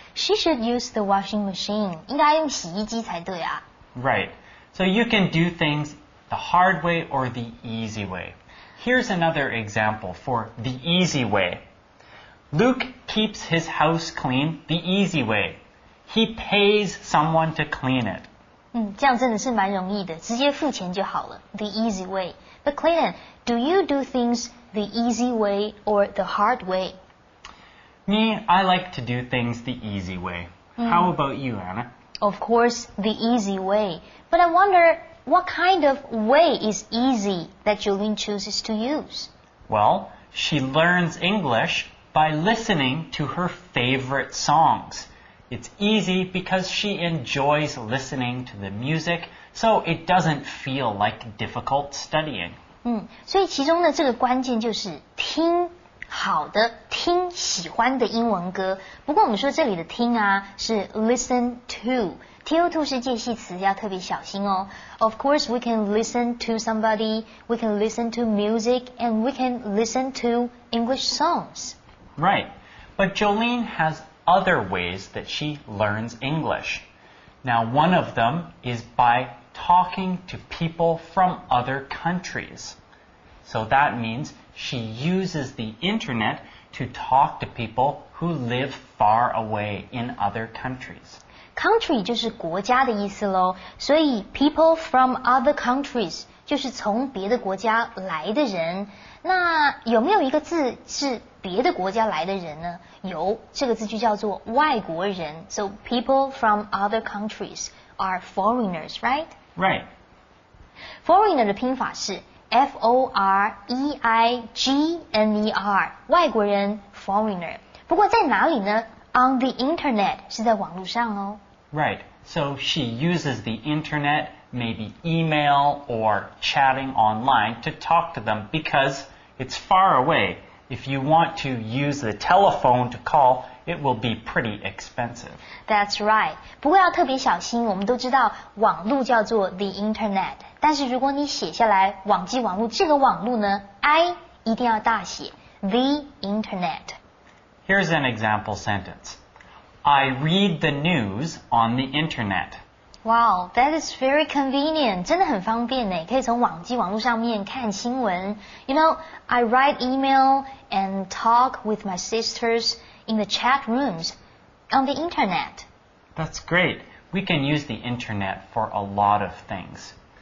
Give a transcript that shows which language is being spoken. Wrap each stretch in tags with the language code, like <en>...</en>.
<en>She should use the washing machine.</en> <zh>应该用洗衣机才对啊。</zh> <en>Right. So you can do things the hard way or the easy way. Here's another example for the easy way. Luke keeps his house clean the easy way. He pays someone to clean it.</en> <zh>这样真的是蛮容易的，直接付钱就好了。</zh> <en>The easy way. But Clayton, do you do things the easy way or the hard way? Me, I like to do things the easy way. How about you, Anna? Of course, the easy way. But I wonder... What kind of way is easy that Jolene chooses to use? Well, she learns English by listening to her favorite songs. It's easy because she enjoys listening to the music, so it doesn't feel like difficult studying.</en> <zh>所以其中的这个关键就是听好的、听喜欢的英文歌。不过我们说这里的听啊，是</zh> <en>listen to.</en> <zh>To 是介系词，要特别小心哦。</zh> <en>Of course, we can listen to somebody, we can listen to music, and we can listen to English songs. Right. But Jolene has other ways that she learns English. Now, one of them is by talking to people from other countries. So that means she uses the internet to talk to people who live far away in other countries.</en> <zh>Country 就是国家的意思咯，所以</zh> <en>people from other countries</en> <zh>就是从别的国家来的人。那有没有一个字是别的国家来的人呢？有，这个字就叫做外国人。</zh> <en>So people from other countries are foreigners, right? Right.</en> <zh>Foreigner 的拼法是 F-O-R-E-I-G-N-E-R, 外国人 foreigner。不过在哪里呢？</zh> <en>On the internet,</en> <zh>是在网络上哦。</zh> <en>Right, so she uses the internet, maybe email or chatting online to talk to them because it's far away. If you want to use the telephone to call, it will be pretty expensive. That's right.</en> <zh>不过要特别小心，我们都知道网络叫做 the internet. 但是如果你写下来网际网络，这个网络呢 ,I 一定要大写 ,the internet.</zh> <en>Here's an example sentence. I read the news on the internet. Wow, that is very convenient.</en> <zh>真的很方便耶，可以从网际网络上面看新闻。</zh> <en>You know, I write email and talk with my sisters in the chat rooms on the internet. That's great. We can use the internet for a lot of things.</en>